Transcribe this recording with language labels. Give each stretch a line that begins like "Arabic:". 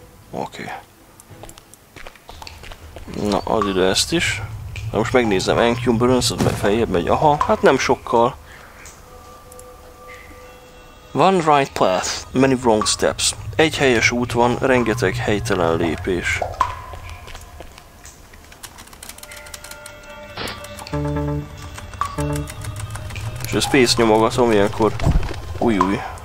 Hungarian: Oké. Na, add ide ezt is. Na most megnézem, NQ Burns, az meg feljebb megy. Aha, hát nem sokkal.
English: One right path, many wrong steps.
Hungarian: Egy helyes út van, rengeteg helytelen lépés. A space nyomogatom ilyenkor. Ujjúj.